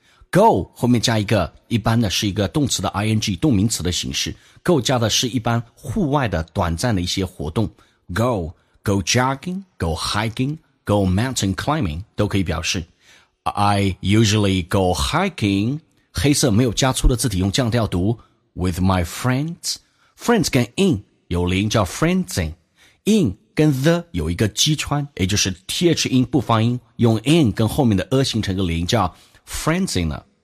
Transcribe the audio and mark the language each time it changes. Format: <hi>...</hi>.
<zh>Go 后面加一个，一般的是一个动词的 ing 动名词的形式。 Go 加的是一般户外的短暂的一些活动。</zh> <en>Go jogging, go hiking, go mountain climbing</en> <zh>都可以表示。</zh> <en>I usually go hiking.</en> <zh>黑色没有加粗的字体用降调读</zh> <en>with my friends.</en> <zh>Friends 跟 in 有连音叫 friendsing， in 跟 the 有一个击穿，也就是 th 音不发音，用 in 跟后面的 a 形成一个连音叫 friendsing 呢。</zh>